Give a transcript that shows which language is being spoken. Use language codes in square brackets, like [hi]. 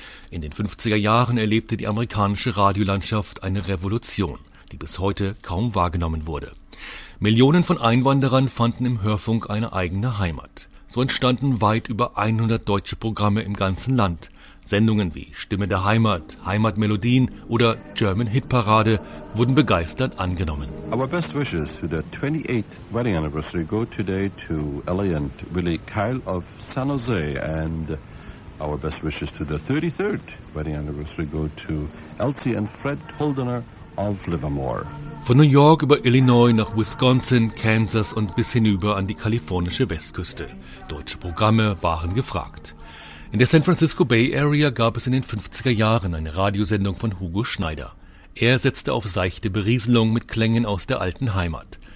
[de] In den 50er Jahren erlebte die amerikanische Radiolandschaft eine Revolution, die bis heute kaum wahrgenommen wurde. Millionen von Einwanderern fanden im Hörfunk eine eigene Heimat. So entstanden weit über 100 deutsche Programme im ganzen Land. Sendungen wie Stimme der Heimat, Heimatmelodien oder German Hit Parade wurden begeistert angenommen. [en] Our best wishes to the 28th wedding anniversary go today to Ellie and Willie Kyle of San Jose. And our best wishes to the 33rd wedding anniversary go to Elsie and Fred Holdener of Livermore. [de] Von New York über Illinois nach Wisconsin, Kansas und bis hinüber an die kalifornische Westküste. Deutsche Programme waren gefragt. In der San Francisco Bay Area gab es in den 50er Jahren eine Radiosendung von Hugo Schneider. Er setzte auf seichte Berieselung mit Klängen aus der alten Heimat.